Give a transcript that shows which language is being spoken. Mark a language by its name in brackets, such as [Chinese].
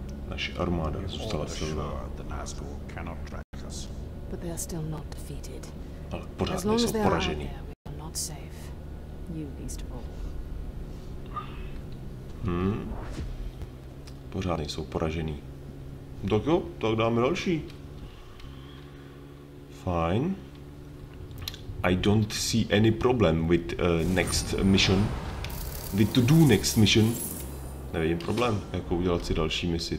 [Czech] Naše armáda zůstala silná. [English] The Nazgul cannot track us. But they are still not defeated. [Czech] Ale pořád nejsou poraženi. [English] As long as they are out there, we are not safe. You least of all. [Czech] Pořád nejsou poraženi. Tak jo, tak dáme další. [English] Fine. I don't see any problem with next mission. With to do next mission. [Czech] Nevidím problém, jako udělat si další misi.